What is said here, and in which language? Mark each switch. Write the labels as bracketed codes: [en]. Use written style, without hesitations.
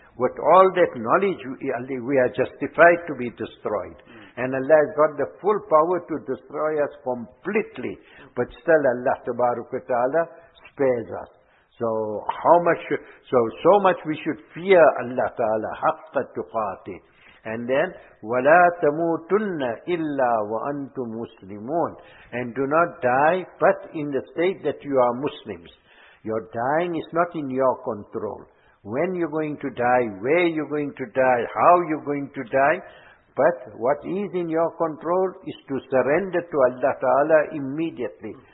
[en] With all that knowledge, we are justified to be destroyed. And Allah has got the full power to destroy us completely. But still Allah Tabaraka wa Ta'ala spares us. So how much, so much we should fear Allah Ta'ala. [ar] حَقَّ تُقَاتِ. [en] And then, [ar] وَلَا تَمُوتُنَّ إِلَّا وَأَنْتُمْ مُسْلِمُونَ. [en] And do not die but in the state that you are Muslims. Your dying is not in your control. When you're going to die, where you're going to die, how you're going to die, but what is in your control is to surrender to Allah Ta'ala immediately.